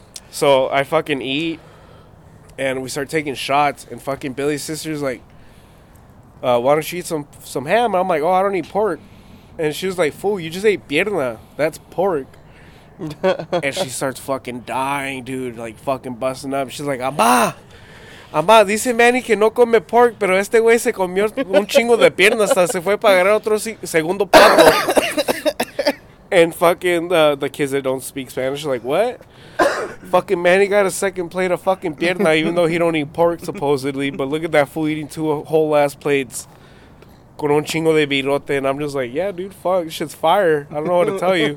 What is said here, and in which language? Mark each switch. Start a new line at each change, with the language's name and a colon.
English: So I fucking eat, and we start taking shots, and fucking Billy's sister's like, why don't you eat some ham? And I'm like, oh, I don't eat pork. And she was like, fool, you just ate pierna. That's pork. And she starts fucking dying, dude, like fucking busting up. She's like, amá.
Spanish: Amá, dice Manny que no come pork, pero este güey se comió un chingo de pierna hasta se fue para agarrar otro segundo plato.
English: And fucking the kids that don't speak Spanish are like, what? Fucking Manny got a second plate of fucking pierna, even though he don't eat pork, supposedly. But look at that fool eating two whole ass plates
Spanish: con un chingo de birote.
English: And I'm just like, yeah, dude, fuck. Shit's fire. I don't know what to tell you.